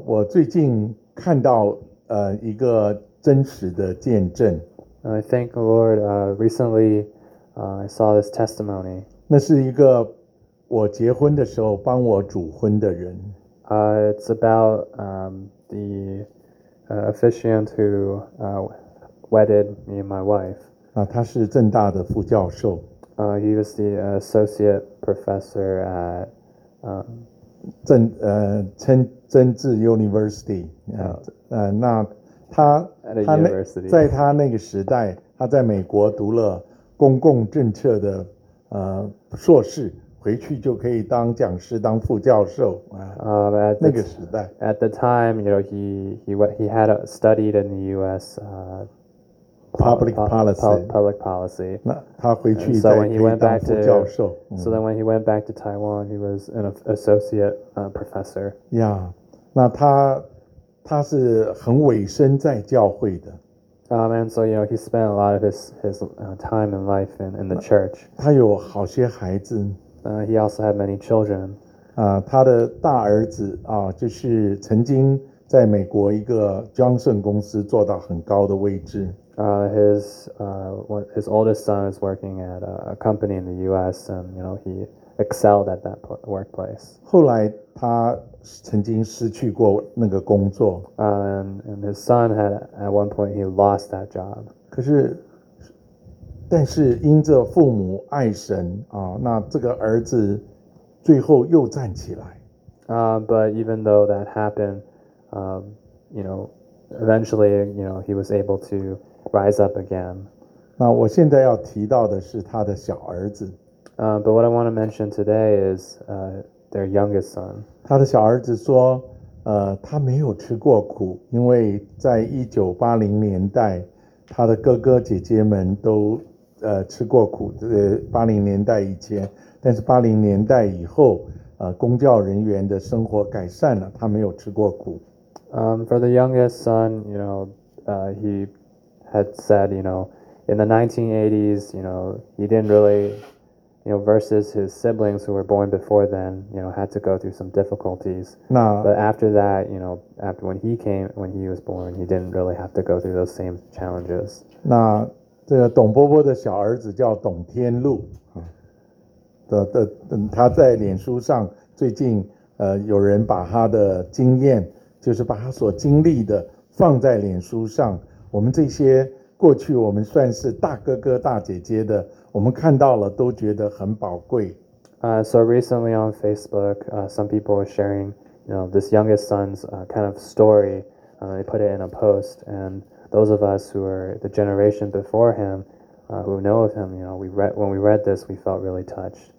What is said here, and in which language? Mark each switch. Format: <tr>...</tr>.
<zh>我最近看到一个真实的见证。</zh> <en>I thank the Lord. Recently, I saw this testimony.</en> <zh>那是一个。我结婚的时候帮我主婚的人。</zh> <en>It's about the officiant who wedded me and my wife.</en> <zh>啊，他是政大的副教授。</zh> <en>He was the associate professor at 政治 University.</en> <zh>那他</zh> <en>at a university.</en> <zh>在他那个时代，他在美国读了公共政策的硕士。回去就可以当讲师，当副教授。那个时代。</zh> <en>At the time, you know, he had studied in the U.S. Public policy.</en> <zh>那他回去再可以当副教授。</zh> <en>So then when he went back to Taiwan, he was an associate professor. Yeah,</en> <zh>那他是很委身在教会的。</zh> <en>And so, you know, he spent a lot of his time and life in the church.</en> <zh>他有好些孩子。</zh> <en>He also had many children.</en> <zh>他的大儿子啊，就是曾经在美国一个 Johnson 公司做到很高的位置。</zh> <en>His oldest son is working at a company in the U.S. and you know he excelled at that workplace.</en> <zh>后来他曾经失去过那个工作。</zh> <en>And his son had, at one point, he lost that job.</en> <zh>可是但是因着父母爱神啊，那这个儿子最后又站起来。</zh> <en>But even though that happened, you know, eventually, you know, he was able to rise up again.</en> <zh>那我现在要提到的是他的小儿子。</zh> <en>But what I want to mention today is their youngest son.</en> <zh>他的小儿子说，他没有吃过苦，因为在1980年代，他的哥哥姐姐们都吃过苦，80年代以前，但是80年代以后，公教人员的生活改善了，他没有吃过苦。</zh> <en>For the youngest son, you know, he had said, you know, in the 1980s, you know, he didn't really, you know, versus his siblings who were born before then, you know, had to go through some difficulties. But after that, you know, after when he was born, he didn't really have to go through those same challenges.</en> <zh>那这个董伯伯的小儿子叫董天禄，他在脸书上最近有人把他的经验，就是把他所经历的放在脸书上。我们这些过去我们算是大哥哥大姐姐的，我们看到了都觉得很宝贵。</zh> <en>So recently on Facebook, some people are sharing, you know, this youngest son's kind of story. They put it in a post, and those of us who are the generation before him, who know of him, you know, when we read this, we felt really touched.</en>